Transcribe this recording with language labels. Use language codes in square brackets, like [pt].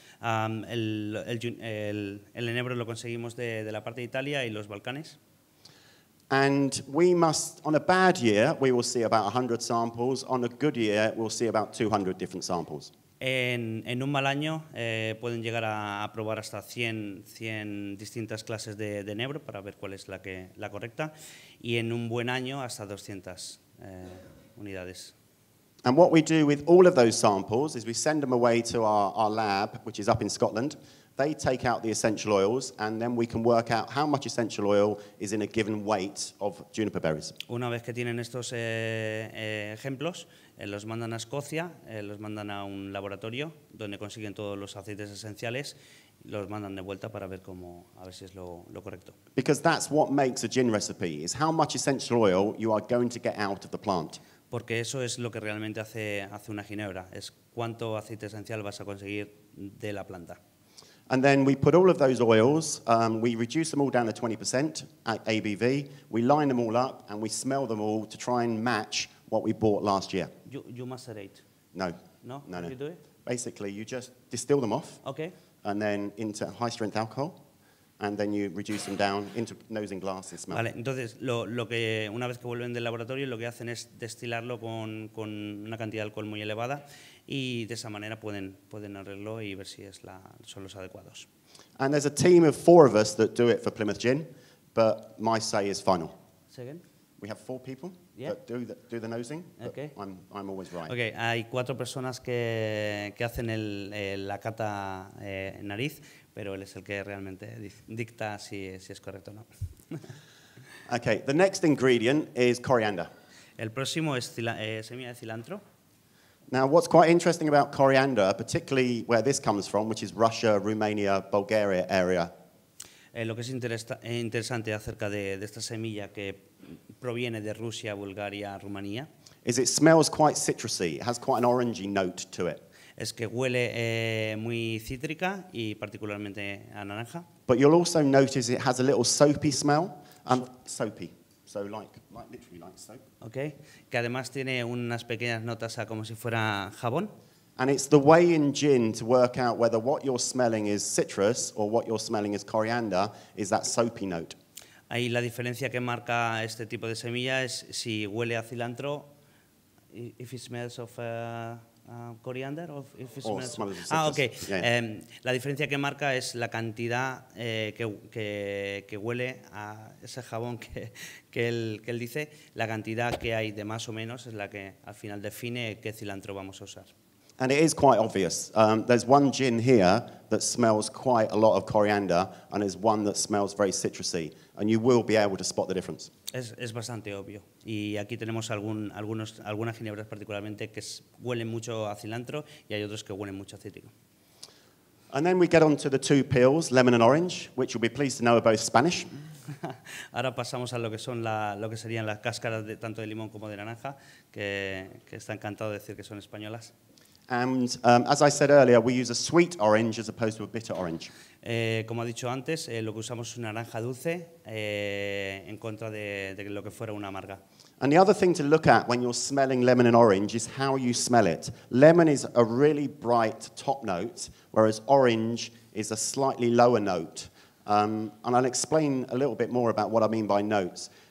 [es] El enebro lo conseguimos de la parte de Italia y los Balcanes. [en] And we must, on a bad year, we will see about 100 samples. On a good year, we'll see about 200 different samples. [es] En un mal año pueden llegar a probar hasta 100 distintas clases de enebro para ver cuál es la correcta y en un buen año hasta 200 unidades. [en] And what we do with all of those samples is we send them away to our lab, which is up in Scotland. They take out the essential oils and then we can work out how much essential oil is in a given weight of juniper berries. [es] Una vez que tienen estos ejemplos, los mandan a Escocia, los mandan a un laboratorio donde consiguen todos los aceites esenciales, los mandan de vuelta para ver cómo, a ver si es lo correcto. [en] Because that's what makes a gin recipe, is how much essential oil you are going to get out of the plant. [es] Porque eso es lo que realmente hace una ginebra, es cuánto aceite esencial vas a conseguir de la planta. [en] And then we put all of those oils, we reduce them all down to 20% at ABV, we line them all up and we smell them all to try and match what we bought last year. You macerate? No. No? No, no. You do it? Basically, you just distill them off. Okay. And then into high-strength alcohol. And then you reduce them down into nose and glass and smell. [es] Vale, entonces, lo que una vez que vuelven del laboratorio, lo que hacen es destilarlo con una cantidad de alcohol muy elevada. Y de esa manera pueden arreglarlo y ver si son los adecuados. [en] And there's a team of four of us that do it for Plymouth Gin. But my say is final. Say again? We have four people. Yeah. But do the nosing. Okay. I'm always right. Okay. [es] Hay cuatro personas que hacen la cata nariz, pero él es el que realmente dicta si es correcto o no. [en] Okay. The next ingredient is coriander. [es] El próximo es semilla de cilantro. [en] Now, what's quite interesting about coriander, particularly where this comes from, which is Russia, Romania, Bulgaria area. [es] Lo que es interesante acerca de esta semilla que proviene de Rusia, Bulgaria, Rumanía. [en] Is it smells quite citrusy. It has quite an orangey note to it. [es] Es que huele muy cítrica y particularmente a naranja. [en] But you'll also notice it has a little soapy smell. Soapy. So like literally like soap. Okay. [es] Que además tiene unas pequeñas notas a como si fuera jabón. [en] And it's the way in gin to work out whether what you're smelling is citrus or what you're smelling is coriander is that soapy note. [es] Ahí la diferencia que marca este tipo de semilla es si huele a cilantro, [en] if it smells of coriander, or if it smells... Smell of ah, okay. Yeah. [es] La diferencia que marca es la cantidad que huele a ese jabón que él dice, la cantidad que hay de más o menos es la que al final define qué cilantro vamos a usar. [en] And it is quite obvious. There's one gin here that smells quite a lot of coriander, and there's one that smells very citrusy. And you will be able to spot the difference. [es] Es bastante obvio. Y aquí tenemos algunas ginebras particularmente que huelen mucho a cilantro, y hay otros que huelen mucho a cítrico. [en] And then we get on to the two peels, lemon and orange, which you'll be pleased to know are both Spanish. [es] Ahora pasamos a lo que serían las cáscaras de tanto de limón como de naranja, que está encantado de decir que son españolas. [en] And as I said earlier, we use a sweet orange as opposed to a bitter orange. [es] Como ha dicho antes, lo que usamos es una naranja dulce en contra de lo que fuera una amarga. [en] And the other thing to look at when you're smelling lemon and orange is how you smell it. Lemon is a really bright top note, whereas orange is a slightly lower note. And I'll explain a little bit more about what I mean by notes.